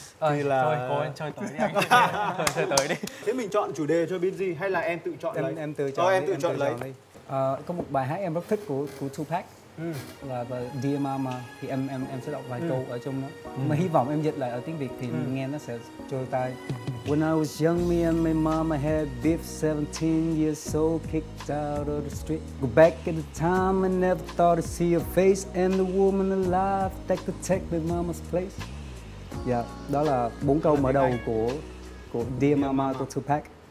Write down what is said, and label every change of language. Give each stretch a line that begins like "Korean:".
Vietnamese: Thôi, cô em chơi tới đi anh. Chơi tới đi. Thế mình chọn chủ đề cho Binz hay là em tự chọn em, lấy? Em tự chọn, em tự chọn lấy. Có một bài hát em rất thích của Tupac. Là The Dear Mama, thì em sẽ đọc vài câu ở trong đó. Mà hy vọng em dịch lại ở tiếng Việt thì nghe nó sẽ trôi tai.
English: When I was young, me and my mama had beef, 17 years old, kicked out of the street. Go back at the time, I never thought to see her face, and the woman alive that could take my mama's place.
Vietnamese: Yeah, đó là bốn câu mở đầu của Dear Mama của Tupac.